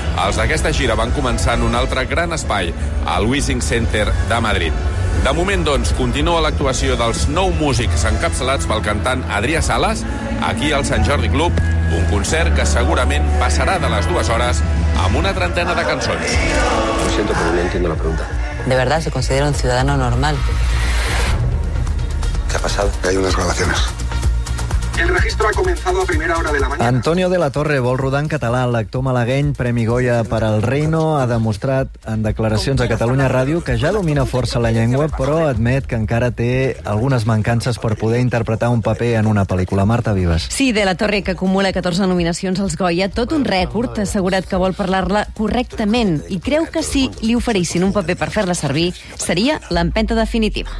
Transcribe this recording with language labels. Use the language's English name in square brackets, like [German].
[Catalan] Els d'aquesta gira van començar en un altre gran espai, el Wizzing Center de Madrid. De moment, doncs, continua l'actuació dels nou músics encapçalats pel cantant Adrià Salas, aquí al Sant Jordi Club, un concert que segurament passarà de les dues hores amb una trentena de cançons. [Spanish] Lo siento, pero no entiendo la pregunta. ¿De verdad se considera un ciudadano normal? ¿Qué ha pasado? Hay unas grabaciones. El registro ha comenzado a primera hora de la mañana. [Catalan] Antonio de la Torre vol rodar en català. L'actor malagueny, Premi Goya per al Reino, ha demostrat en declaracions a Catalunya Ràdio que ja domina força la llengua, però admet que encara té algunes mancances per poder interpretar un paper en una pel·lícula. Marta Vives. Sí, de la Torre, que acumula 14 nominacions als Goya, tot un rècord, ha assegurat que vol parlar-la correctament i creu que si li oferissin un paper per fer-la servir, seria l'empenta definitiva.